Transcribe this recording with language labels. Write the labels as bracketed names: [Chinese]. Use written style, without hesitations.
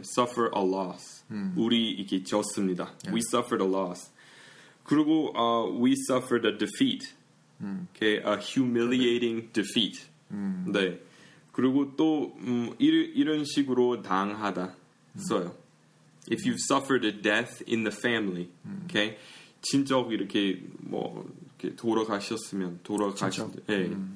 [English] Suffer a loss. [Korean] 우리 이게 졌습니다. [English] Yeah. We suffered a loss. 그리고 we suffered a defeat. Okay, a humiliating defeat. 네. [Korean] 그리고 또 이런 식으로 당하다 써요. [English] If you've suffered a death in the family. Okay. [Korean] 친척 이렇게 뭐 이렇게 돌아가셨으면 돌아가셨 예.